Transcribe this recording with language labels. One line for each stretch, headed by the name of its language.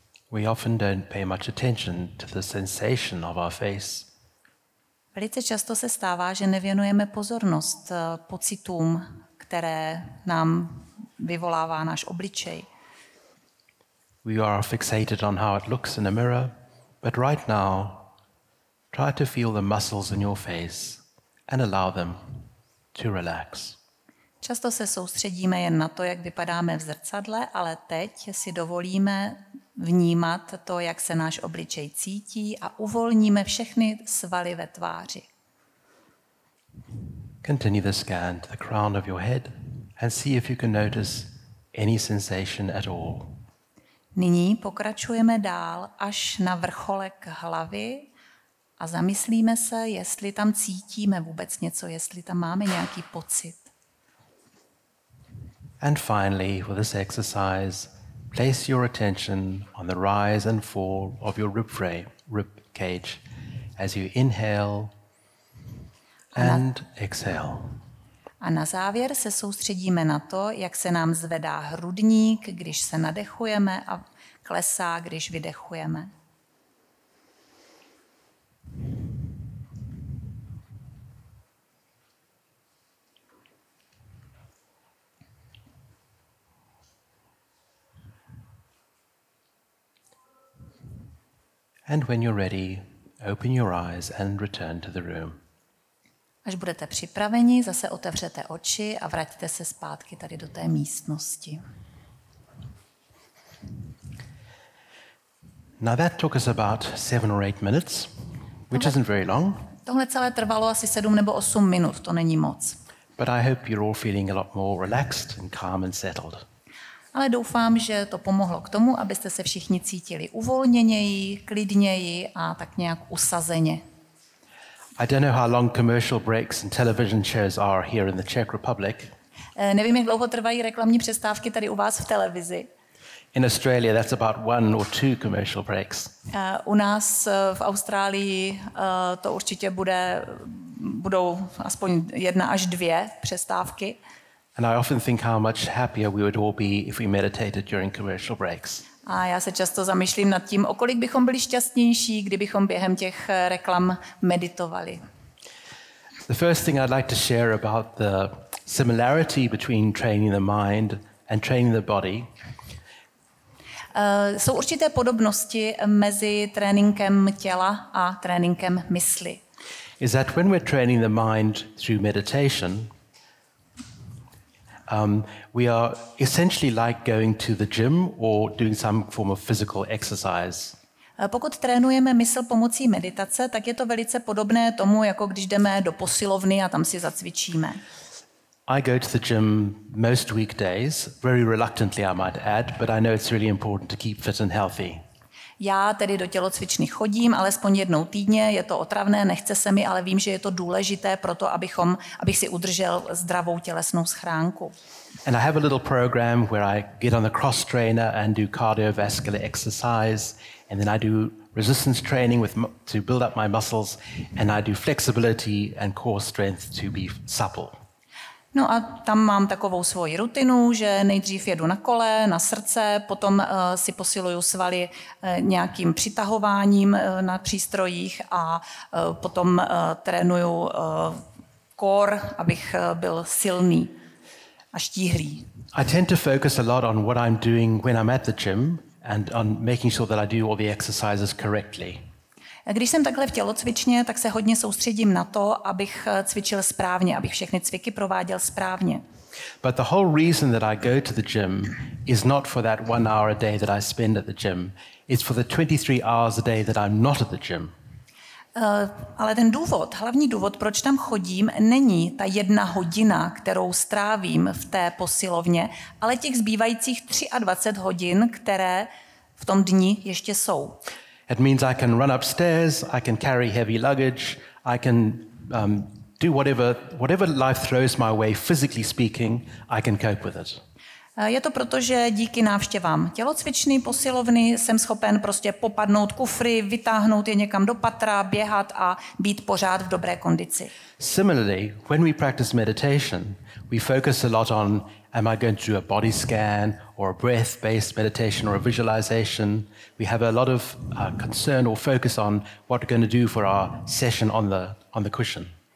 English: We often don't pay much attention to the sensation of our face.
Czech: Velice často se stává, že nevěnujeme pozornost pocitům, které nám vyvolává náš obličej.
English: We are fixated on how it looks in a mirror, but right now try to feel the muscles in your face and allow them to relax.
Czech: Často se soustředíme jen na to, jak vypadáme v zrcadle, ale teď si dovolíme vnímat to, jak se náš obličej cítí a uvolníme všechny svaly ve tváři.
English: Continue the scan to the crown of your head and see if you can notice any sensation at all.
Czech: Nyní pokračujeme dál až na vrcholek hlavy a zamyslíme se, jestli tam cítíme vůbec něco, jestli tam máme nějaký pocit.
English: And finally, with this exercise, place your attention on the rise and fall of your rib cage as you inhale and exhale.
Czech: A na závěr se soustředíme na to, jak se nám zvedá hrudník, když se nadechujeme, a klesá, když vydechujeme.
English: And when you're ready, open your eyes and return to the room.
Czech: Až budete připraveni, zase otevřete oči a vraťte se zpátky tady do té místnosti.
English: Now that took us about 7 or 8 minutes, which isn't very long.
Czech: Tohle celé trvalo asi 7 nebo 8 minut, to není moc.
English: But I hope you're all feeling a lot more relaxed and calm and settled.
Czech: Ale doufám, že to pomohlo k tomu, abyste se všichni cítili uvolněněji, klidněji a tak nějak usazeně.
English: I don't know how long commercial breaks and television shows are here in the Czech Republic.
Czech: Nevím, jak dlouho trvají reklamní přestávky tady u vás v televizi.
English: In Australia that's about 1 or 2 commercial breaks.
Czech: U nás v Austrálii to určitě budou aspoň 1 až 2 přestávky.
English: And I often think how much happier we would all be if we meditated during commercial breaks.
Czech: A já se často zamýšlím nad tím, o kolik bychom byli šťastnější, kdybychom během těch reklam meditovali.
English: The first thing I'd like to share about the similarity between training the mind and training the body.
Czech: Jsou určité podobnosti mezi tréninkem těla a tréninkem mysli.
English: Is that when we're training the mind through meditation, we are essentially like going to the gym or doing some form of physical exercise.
Czech: Pokud trénujeme mysl pomocí meditace, tak je to velice podobné tomu, jako když jdeme do posilovny a tam si zacvičíme.
English: I go to the gym most weekdays, very reluctantly I might add, but I know it's really important to keep fit and healthy.
Czech: Já tedy do tělocvičny chodím alespoň jednou týdně, je to otravné, nechce se mi, ale vím, že je to důležité pro to, abych si udržel zdravou tělesnou schránku.
English: And I have a little program where I get on the cross trainer and do cardiovascular exercise and then I do resistance training with to build up my muscles, and I do flexibility and core strength to be supple.
Czech: No a tam mám takovou svoji rutinu, že nejdřív jedu na kole, na srdce, potom si posiluju svaly nějakým přitahováním na přístrojích a potom trénuju core, abych byl silný a štíhlý.
English: I tend to focus a lot on what I'm doing when I'm at the gym and on making sure that I do all the exercises correctly.
Czech: Když jsem takhle v tělocvičně, tak se hodně soustředím na to, abych cvičil správně, abych všechny cviky prováděl správně.
English: But the whole reason that I go to the gym is not for that one hour a day that I spend at the gym. It's for the 23 hours a day that I'm not at the gym.
Czech: Ale ten důvod, hlavní důvod, proč tam chodím, není ta jedna hodina, kterou strávím v té posilovně, ale těch zbývajících 23 hodin, které v tom dni ještě jsou.
English: It means I can run upstairs, I can carry heavy luggage, I can do whatever life throws my way, physically speaking, I can cope with it.
Czech: Je to proto, že díky návštěvám tělocvičny, posilovny jsem schopen prostě popadnout kufry, vytáhnout je někam do patra, běhat a být pořád v dobré kondici.
English: Similarly, when we practice meditation, we focus a lot on am I going to do a body scan or a breath-based meditation or a visualization. We have a lot of concern or focus on what we're going to do for our session on the cushion.